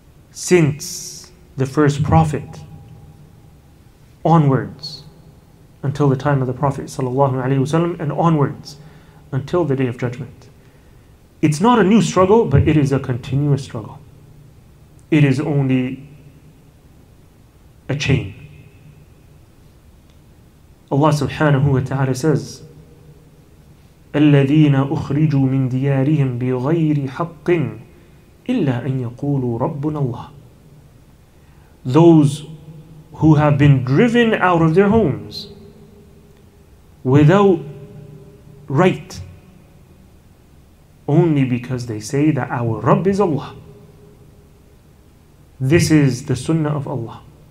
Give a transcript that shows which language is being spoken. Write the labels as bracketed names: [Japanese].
[English] Since the first prophet onwards, until the time of the Prophet sallallahu alaihi wasallam, and onwards until the Day of Judgment, it's not a new struggle, but it is a continuous struggle. It is only a chain. Allah subhanahu wa ta'ala says, [Arabic] الَّذِينَ أُخْرِجُوا مِنْ دِيَارِهِمْ بِغَيْرِ حَقٍ إِلَّا أَنْ يَقُولُوا رَبُّنَ اللَّهِ. [English] Those who have been driven out of their homes without right, only because they say that our Rabb is Allah. This is the Sunnah of Allah.